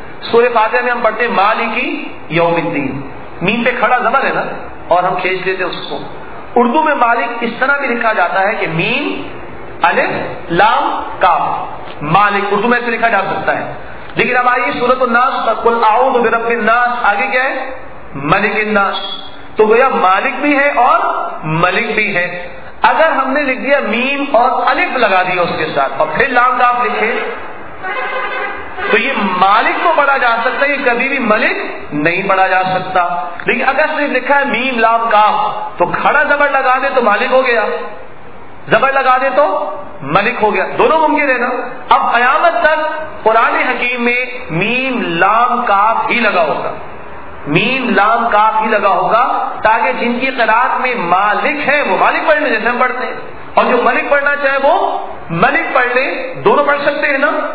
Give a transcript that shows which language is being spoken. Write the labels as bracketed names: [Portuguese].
[Urdu] سورہ فاتحہ میں ہم پڑھتے ہیں [Arabic] مالک یوم الدین، [Urdu] مین پہ کھڑا زبر ہے نا، اور ہم کھینچ لیتے اس کو۔ اردو میں مالک اس طرح بھی لکھا جاتا ہے کہ میم الف لام کاف، مالک اردو میں ایسے لکھا جا سکتا ہے، لیکن اب آئیے سورۃ الناس پر، [Arabic] قل اعوذ برب الناس، [Urdu] آگے کیا ہے؟ [Arabic] ملک الناس۔ [Urdu] تو گویا مالک بھی ہے اور ملک بھی ہے۔ اگر ہم نے لکھ دیا میم اور الف لگا دیا اس کے ساتھ اور پھر لام کاف لکھے تو یہ مالک کو پڑھا جا سکتا ہے، یہ کبھی بھی ملک نہیں پڑھا جا سکتا. لیکن اگر صرف لکھا ہے میم لام کاف تو کھڑا زبر لگا دے تو مالک ہو گیا، زبر لگا دے تو ملک ہو گیا، دونوں ممکن ہے نا. اب قیامت تک قرآن حکیم میں میم لام کاف ہی لگا ہوگا، میم لام کاف ہی لگا ہوگا تاکہ جن کی قرآن میں مالک ہے وہ مالک پڑھنے جیسے ہم پڑھتے ہیں، اور جو ملک پڑھنا چاہے وہ ملک پڑھ لے، دونوں پڑھ سکتے ہیں نا.